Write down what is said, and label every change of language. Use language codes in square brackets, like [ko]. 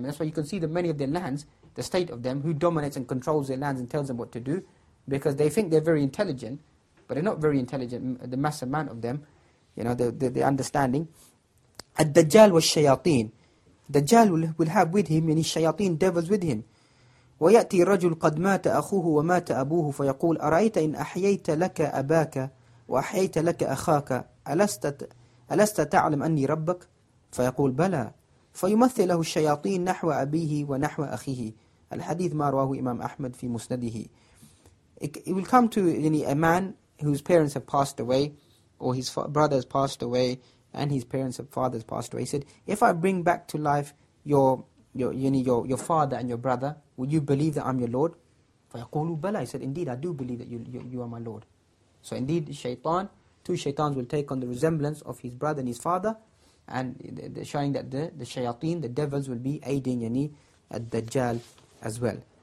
[en] And that's why you can see that many of their lands, the state of them, who dominates and controls their lands and tells them what to do, because they think they're very intelligent, but they're not very intelligent, the mass amount of them. The understanding. [ar] Ad-Dajjal was shayateen. [en] Dajjal will have with him, shayateen, devils with him. [ar] ويأتي رجل قد مات أخوه ومات أبوه فيقول أرأيت إن أحييت لك أباك وأحييت لك أخاك ألست تعلم أني ربك؟ فيقول بلى. فيمثل له الشياطين نحو أبيه ونحو أخيه. الحديث ما رواه إمام أحمد في مسنده. [en] It will come to a man whose parents have passed away, or his brother has passed away, and his parents have fathers passed away. He said, if I bring back to life your father and your brother, would you believe that I'm your Lord? [ar] فَيَقُولُ بَلَى. [en] He said, indeed, I do believe that you are my Lord. So indeed, shaitan, two shaitans will take on the resemblance of his brother and his father, and they're showing that the shayateen, the devils, will be aiding al-Dajjal as well.